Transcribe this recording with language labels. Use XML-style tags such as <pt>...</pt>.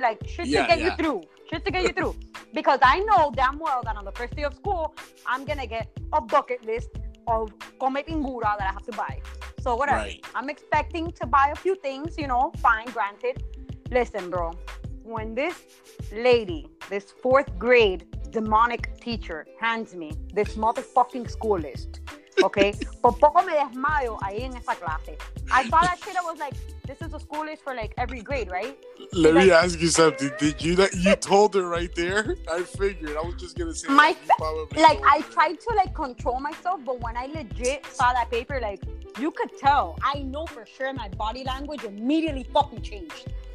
<en>Like, shit to get you through. Because I know damn well that on the first day of school, I'm gonna get a bucket list of come pingura that I have to buy. So whatever. Right. I'm expecting to buy a few things, you know, fine, granted. Listen, bro. When this lady, this fourth grade demonic teacher, hands me this motherfucking school list, okay?</en> <es>Por poco me desmayo ahí en esa clase.</es> <en>I saw that shit, I was like, this is a school list for like every grade, right? Let me ask you something. Did you, that you told her right there? I figured, I was just gonna say, my, that like, I tried to like control myself, but when I legit saw that paper, like, you could tell, I know for sure my body language immediately fucking changed.</en>